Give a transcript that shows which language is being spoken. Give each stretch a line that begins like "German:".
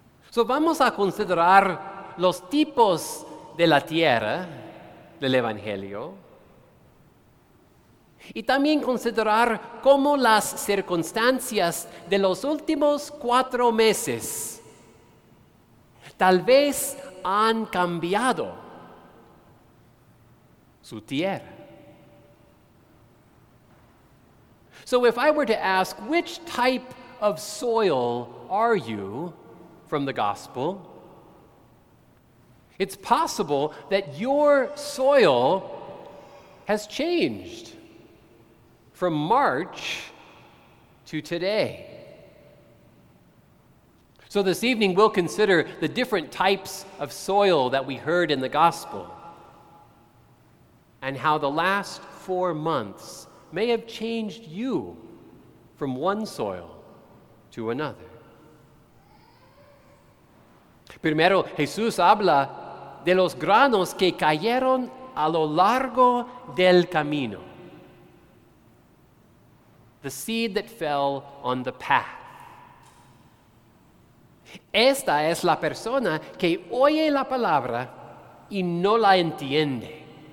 Spanish: So vamos a considerar los tipos de la tierra del Evangelio y también considerar cómo las circunstancias de los últimos 4 meses tal vez han cambiado su tierra.
English: So if I were to ask, which type of soil are you from the gospel? It's possible that your soil has changed from March to today. So this evening we'll consider the different types of soil that we heard in the gospel and how the last 4 months may have changed you from one soil to another.
Spanish: Primero, Jesús habla de los granos que cayeron a lo largo del camino.
English: The seed that fell on the path.
Spanish: Esta es la persona que oye la palabra y no la entiende.